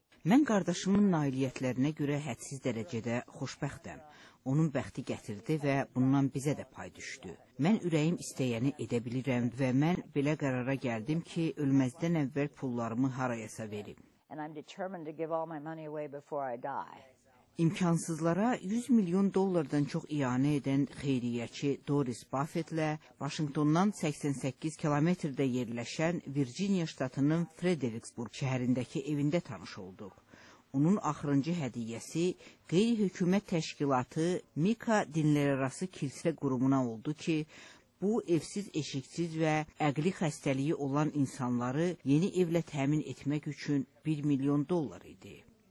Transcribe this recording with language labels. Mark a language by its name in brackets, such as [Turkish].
[Azerbaijani] Mən qardaşımın nailiyyətlərinə görə hədsiz dərəcədə xoşbəxtəm. Onun bəxti gətirdi və bundan bizə də pay düşdü. Mən ürəyim istəyəni edə bilirəm və mən belə qərara gəldim ki, ölməzdən əvvəl pullarımı harayasa verim. [English] And I'm determined to give all my money away before I die. [Azerbaijani] İmkansızlara 100 milyon dollardan çox ianə edən xeyriyyəçi Doris Buffettlə Vaşinqtondan 88 kilometrdə yerləşən Virginia ştatının Fredericksburg şəhərindəki evində tanış olduq. Onun axırıncı hədiyyəsi qeyri-hökumət təşkilatı Mika Dinlərarası Kilsə qurumuna oldu ki, bu evsiz, eşiksiz və əqli xəstəliyi olan insanları yeni evlə təmin etmək üçün 1 milyon dollar idi.